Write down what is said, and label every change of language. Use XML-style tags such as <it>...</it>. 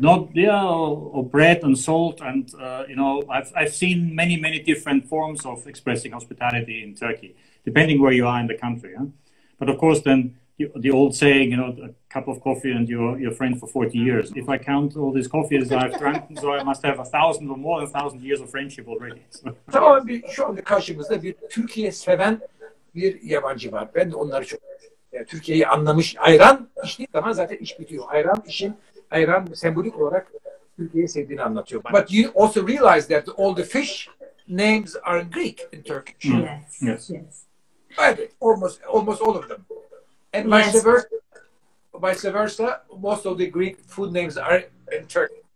<en>Not or bread and salt, and I've seen many, many different forms of expressing hospitality in Turkey, depending where you are in the country. But of course, then the old saying, a cup of coffee and you're friend for 40 years. If I count all these coffees I've drunk, so I must have 1,000 or more than 1,000 years of friendship already.</en> <tr>Tamam, bir şu anda karşımızda bir Türkiye seven bir yabancı var. Ben de onları çok Türkiye'yi anlamış, ayran içtiği zaman zaten iş bitiyor. Ayran sembolik olarak Türkiye'yi sevdiğini anlatıyor.</tr> <en>But you also realize that all the fish names are in Greek in Turkish. Mm. Yes. By the way, almost all of them. And vice versa, most of the Greek food names are in Turkish.</en>